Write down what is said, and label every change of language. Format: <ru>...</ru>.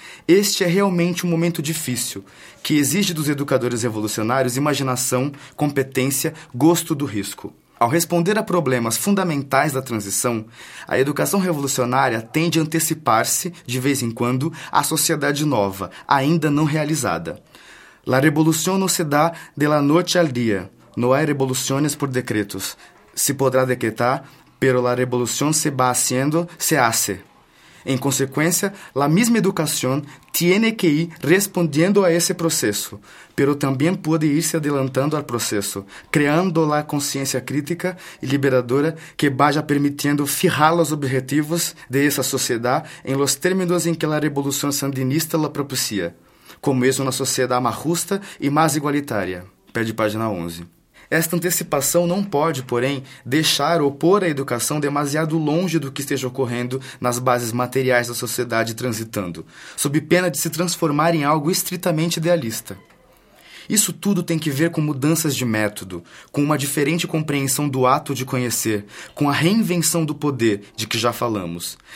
<pt>Este é realmente um momento difícil, que exige dos educadores revolucionários imaginação, competência, gosto do risco. Ao responder a problemas fundamentais da transição, a educação revolucionária tende a antecipar-se, de vez em quando, à sociedade nova, ainda não realizada.</pt> <es>La revolución no se da de la noche al día. No hay revoluciones por decretos. Se podrá decretar, pero la revolución se va haciendo, se hace. En consecuencia, la misma educación tiene que ir respondiendo a ese proceso, pero también puede irse adelantando al proceso, creando la conciencia crítica y liberadora que vaya permitiendo fijar los objetivos de esa sociedad en los términos en que la revolución sandinista la propicia, como es una sociedad más justa y más igualitaria.</es> <pt>Pede página 11. Esta antecipação não pode, porém, deixar ou pôr a educação demasiado longe do que esteja ocorrendo nas bases materiais da sociedade transitando, sob pena de se transformar em algo estritamente idealista. Isso tudo tem que ver com mudanças de método, com uma diferente compreensão do ato de conhecer, com a reinvenção do poder, de que já falamos.</pt>